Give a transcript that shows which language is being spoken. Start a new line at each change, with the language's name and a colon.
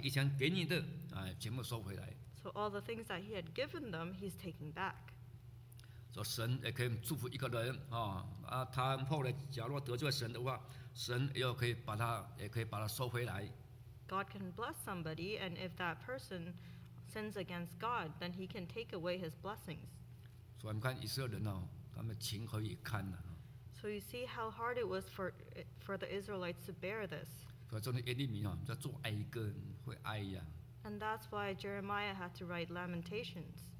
Chinese: 也必将他应当遮体的羊毛和马哈夺回来啊，凡是以前给你的啊，全部收回来。
English: So all the things that he had given them, he's taking back.
Chinese: 所以神也可以祝福一个人啊，啊，他后来假若得罪神的话，神又可以把他收回来。
English: God can bless somebody, and if that person sins against God, then he can take away his blessings.
Chinese: 所以我们看以色列人哦，他们情何以堪呢？
English: So you see how hard it was for the Israelites to bear this. And that's why Jeremiah had to write Lamentations.